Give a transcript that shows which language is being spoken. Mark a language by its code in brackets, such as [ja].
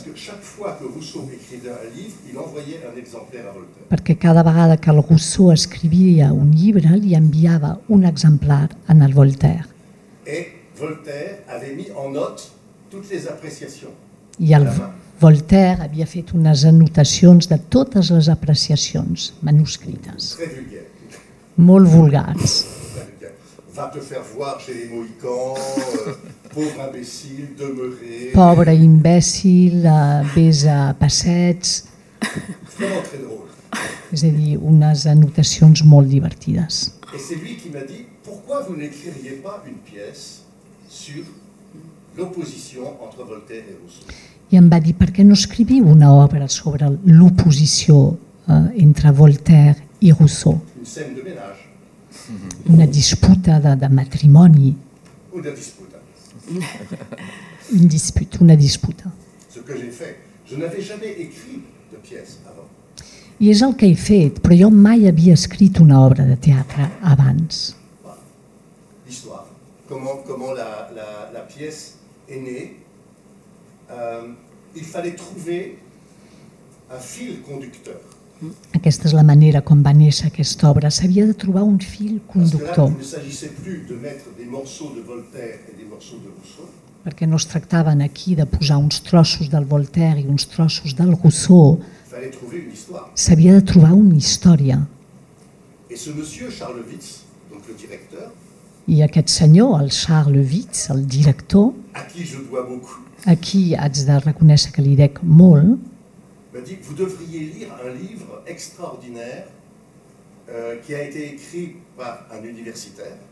[fr] Parce que chaque fois que Rousseau écrivait un livre, il envoyait un exemplaire à Voltaire. [ca] Perquè cada vegada que el Rousseau escrivia un llibre, li enviava un exemplar en el Voltaire. [fr] Et Voltaire avait mis en note toutes les appréciations. [ca] I el Voltaire havia fet unes anotacions de totes les apreciacions manuscrites. [fr] Très vulgaire. [ca] Molt vulgars. [fr] Va te faire voir chez les Mohicans, pauvre imbécile, demeuré. [ca] Pobre imbècil, vés a passets. [fr] Vraiment très drôle. [ca] És a dir, unes anotacions molt divertides. [fr] Et c'est lui qui m'a dit, pourquoi vous n'écririez pas une pièce sur l'opposition entre Voltaire et Rousseau? [ca] I em va dir, per què no escriviu una obra sobre l'oposició entre Voltaire i Rousseau? [fr] Une scène de ménage. [ca] Una disputa de matrimoni. Una disputa. [fr] Une dispute, [ca] una disputa. [fr] Ce que j'ai fait, je n'avais jamais écrit de pièce avant. [ca] I és el que he fet, però jo mai havia escrit una obra de teatre abans. [fr] L'histoire, comment la pièce est née. Il fallait trouver un fil conducteur. [ca] Aquesta és la manera com va néixer aquesta obra. S'havia de trobar un fil conductor. [fr] Là, il ne s'agissait plus de mettre des morceaux de Voltaire et des morceaux de Rousseau. [ca] Perquè no es tractaven aquí de posar uns trossos del Voltaire i uns trossos del Rousseau. [fr] Il fallait trouver une histoire. [ca] S'havia de trobar una història. [fr] Et ce monsieur Charles Witz, donc le directeur. [ca] I aquest senyor, el Charles Witz, el director. [fr] À qui je dois beaucoup. [ca] A qui haig de reconèixer que li dec molt. M'ha dit, [fr] vous devriez lire un livre extraordinaire qui a été écrit par un universitaire.